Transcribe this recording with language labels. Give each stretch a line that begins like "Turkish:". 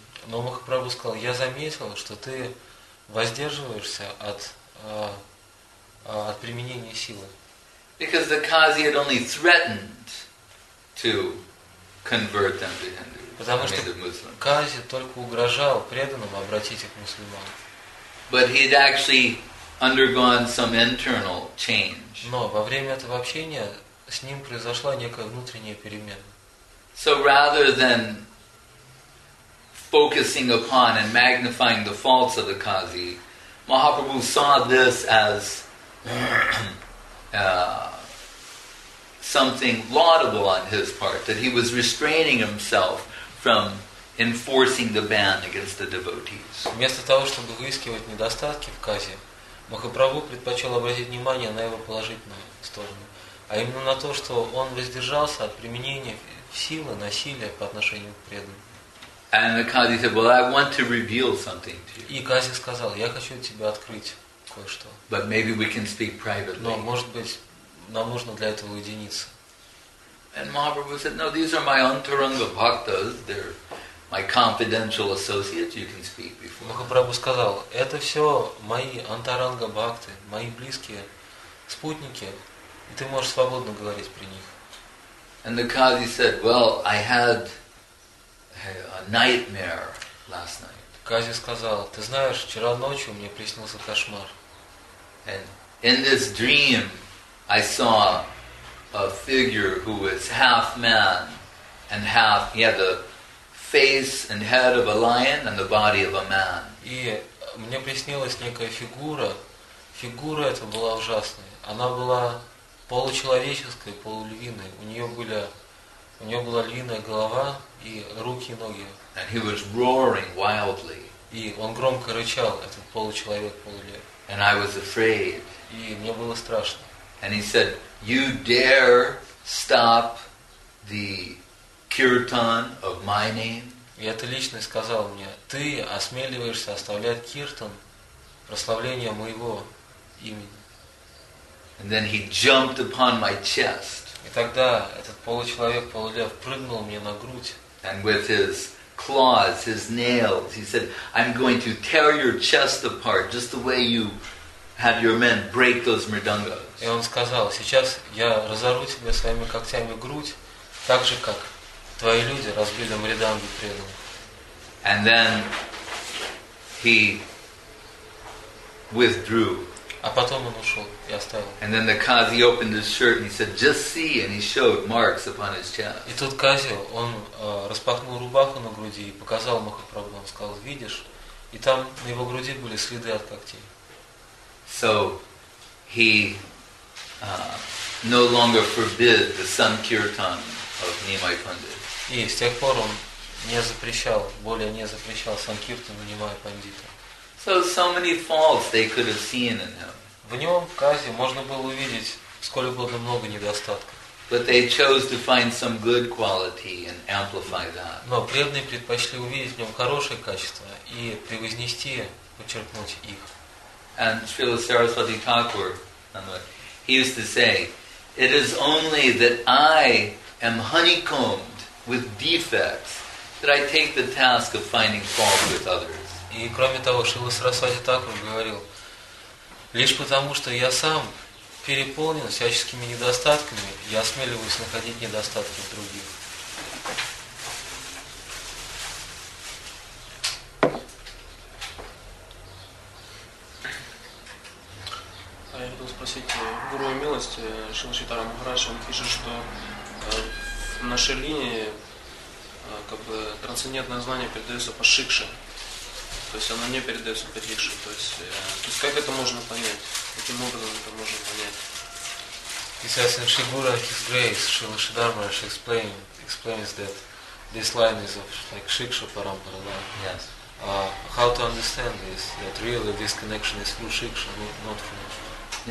Russian: Но Махапрабху сказал, я заметил, что ты воздерживаешься от от применения силы.
English: Because the Qazi had only threatened to convert them to Hinduism.
Russian: Потому что Qazi только угрожал преданным обратить их в мусульман.
English: But he had actually undergone some internal change.
Russian: Но во время этого общения с ним произошла некая внутренняя перемена.
English: So rather than focusing upon and magnifying the faults of the Qazi, Mahaprabhu saw this as something laudable on his part, that he was restraining himself from enforcing the ban against the devotees.
Russian: Вместо того, чтобы выискивать недостатки в Qazi, Махапрабху предпочел обратить внимание на его положительную сторону, а именно на то, что он воздержался от применения силы, насилия по отношению к преданным.
English: And the Kazi said, "Well, I want to reveal something to you."
Russian: И Кази сказал, я хочу тебе открыть кое-что.
English: But maybe we can speak privately.
Russian: Но может быть, нам нужно для этого уединиться.
English: And Mahaprabhu said, "No, these are my antaranga bhaktas. They're my confidential associates. You can speak before."
Russian: Махапрабху сказал, это все мои антаранга бхакты, мои близкие спутники, и ты можешь свободно говорить при них.
English: And the Kazi said, "Well, I had a nightmare last night."
Russian: Кази сказал, ты знаешь, вчера ночью мне приснился кошмар.
English: And in this dream, I saw a figure who was half man and half, he had the face and head of a lion and the body of a man.
Russian: И мне приснилась некая фигура. Фигура эта была ужасной. Она была получеловеческой, полулевиной. У нее была львиная голова и руки и ноги.
English: And he was roaring wildly.
Russian: И он громко рычал, этот получеловек, полулев.
English: And I was afraid.
Russian: И мне было страшно.
English: And he said, "You dare stop the kirtan of my name?"
Russian: И эта личность сказала мне, ты осмеливаешься оставлять киртан, прославление моего имени.
English: And then he jumped upon my chest.
Russian: И тогда этот получеловек-полулев прыгнул мне на грудь.
English: And with his claws, his nails, he said, "I'm going to tear your chest apart, just the way you had your men break those mridangas."
Russian: И он сказал, сейчас я разорву тебе своими когтями грудь, так же, как твои люди разбили мриданги преданных.
English: And then he withdrew.
Russian: А потом он ушел и оставил.
English: And then the Kazi opened his shirt and he said, "Just see," and he showed marks upon his chest.
Russian: И тут Кази, он распахнул рубаху на груди и показал Махапрабху. Он сказал, видишь? И там на его груди были следы от когтей.
English: So he no longer forbid the sankirtan of Nimai Pandit.
Russian: И с тех пор он не запрещал санкиртан Нимай Пандита.
English: So, so many faults they could have seen in him.
Russian: В нем, в Казе, можно было увидеть сколь угодно много недостатков.
English: But they chose to find some good quality and amplify that.
Russian: Но преданные предпочли увидеть в нем хорошие качества и превознести, подчеркнуть их.
English: And Srila Saraswati Thakur, he used to say, "It is only that I am honeycombed with defects that I take the task of finding fault with others."
Russian: И кроме того, Шрила Сарасвати Такур говорил, лишь потому, что я сам переполнен всяческими недостатками, я осмеливаюсь находить недостатки в других. А я хотел спросить, Гуру Милости, Шрила Читара Махарадж, он пишет, что в нашей линии как бы трансцендентное знание передается по шикше. То есть оно не передается подикше. То есть как это можно понять? Каким образом это можно понять?
English: He says in Shigura His Grace, Srila Siddharmaraj explains that this line is of like Shiksha Parampara. Yes. How to understand this? That really this connection is through Shiksha, not from